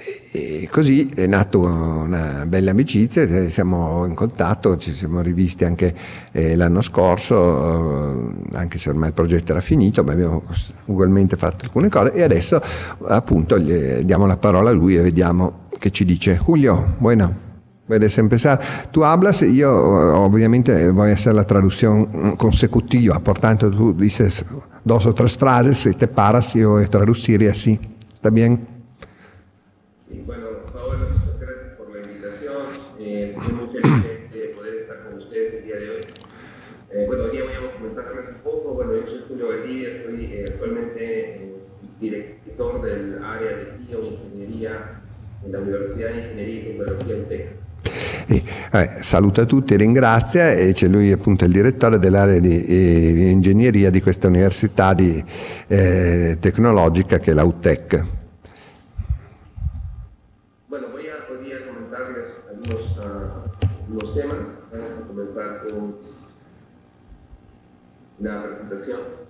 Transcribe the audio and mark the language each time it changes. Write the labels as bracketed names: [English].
[Italian] E così è nata una bella amicizia, siamo in contatto, ci siamo rivisti anche l'anno scorso, anche se ormai il progetto era finito, ma abbiamo ugualmente fatto alcune cose e adesso appunto gli diamo la parola a lui e vediamo che ci dice. [Spanish] Julio, bueno. Puedes empezar. Tú hablas, yo obviamente voy a hacer la traducción consecutiva, por tanto tú dices dos o tres frases y te paras y yo voy a traducir y así. ¿Está bien? Sí, bueno, Paola, muchas gracias por la invitación. Soy muy feliz de poder estar con ustedes el día de hoy. Bueno, hoy día voy a comentarles un poco. Bueno, yo soy Julio Valdivia, soy actualmente director del área de bioingeniería en la Universidad de Ingeniería y Tecnología en TEC. [Italian] Saluta tutti, ringrazia, e c'è lui appunto il direttore dell'area di ingegneria di questa università di tecnologica che è la UTEC. [Spanish] Bueno, voy a comentarles algunos los temas. Vamos a comenzar con una presentación.